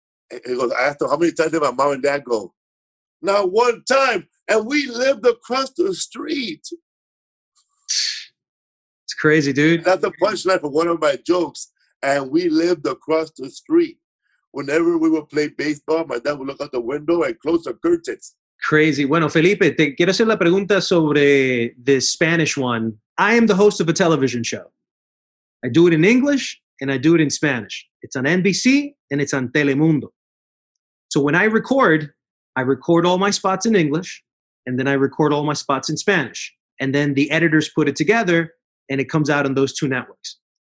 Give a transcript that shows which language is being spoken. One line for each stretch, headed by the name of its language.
English: He goes, I asked him, how many times did my mom and dad go? Not one time. And we lived across the street. It's crazy, dude. That's the punchline for one of my jokes. And we lived across the street. Whenever we would play baseball, my dad would look out the window and close the curtains. Crazy.
Spanish: Bueno, Felipe, te quiero hacer la pregunta sobre
English: the Spanish one. I am the host of a television show. I do it in English and I do it in Spanish. It's on NBC and it's on Telemundo. So when I record all my spots in English and then I record all my spots in Spanish. And then the editors put it together and it comes out on those two networks.